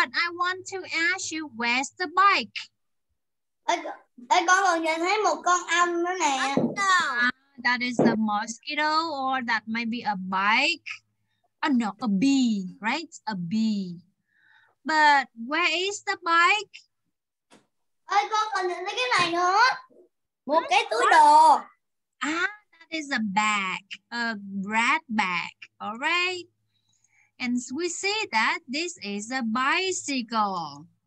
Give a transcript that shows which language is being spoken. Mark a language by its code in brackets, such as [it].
[en] But I want to ask you, where's the bike? [vi] Ê, con còn nhìn thấy một con ong nữa nè. [en] That is a mosquito, or that might be a bike. Oh no, a bee, right? A bee. But where is the bike? [vi] Ê, con còn nhìn thấy cái này nữa. Một cái túi đồ. [en] That is a bag, a red bag, all right? And we see that this is a bicycle.